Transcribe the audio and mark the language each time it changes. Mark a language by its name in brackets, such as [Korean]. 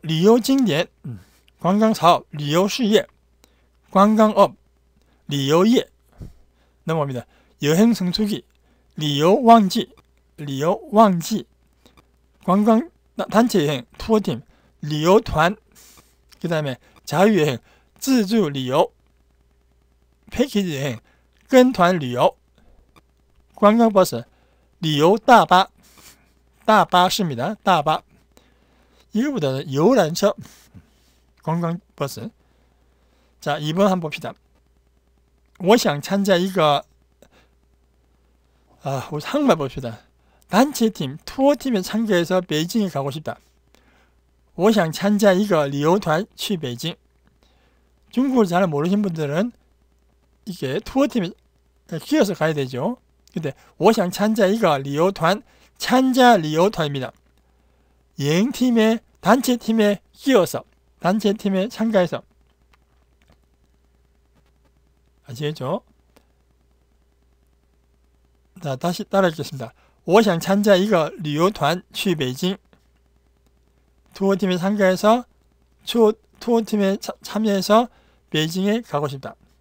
[Chinese] 旅游景点, 관광사업, 旅游事业, 관광업, 旅游业. [Korean] 넘어갑니다. [Chinese] 여행 성수기, 旅游旺季, 旅游旺季. [Korean] 관광 단체 여행, 투어팀, 旅游团. 그 다음에 자유여행, 自助旅游. 패키지 여행, 跟团旅游. 관광버스, 旅游大巴. 大巴士입니다. 大巴. 이거보다는 游览车, 관광버스. 자, 2번 한번 봅시다. [Chinese] 我想参加一个, [Korean] 한국말 봅시다. 단체팀, 투어팀에 참가해서 베이징에 가고 싶다. [Chinese] 我想参加一个旅游团去北京. [Korean] 중국어를 잘 모르신 분들은 이게 투어팀에 끼어서 가야 되죠. 근데 [Chinese] 我想参加一个旅游团, 参加旅游团입니다. [Korean] 여행팀에, 단체팀에 끼어서, 단체팀에 참가해서. 아시겠죠? 자, 다시 따라 읽겠습니다. [Chinese] 我想参加一个旅游团去北京. [Korean] 투어팀에 참가해서, 투어팀에 참여해서 베이징에 가고 싶다.